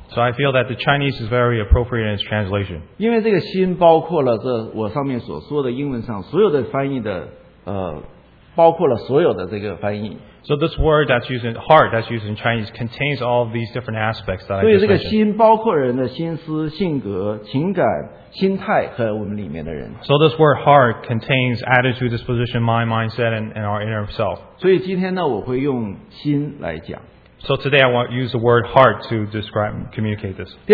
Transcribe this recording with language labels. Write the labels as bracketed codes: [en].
[en] So I feel that the Chinese is very appropriate in its translation. [zh] 因为这个心包括了这我上面所说的英文上所有的翻译的，包括了所有的这个翻译。 [en] So this word that's used in heart, that's used in Chinese, contains all of these different aspects that I just [zh] 所以这个心包括人的心思、性格、情感、心态和我们里面的人。 [en] So this word heart contains attitude, disposition, mind, mindset, and our inner self. [zh] 所以今天呢，我会用心来讲。 [en] So today I want to use the word heart to describe and communicate this.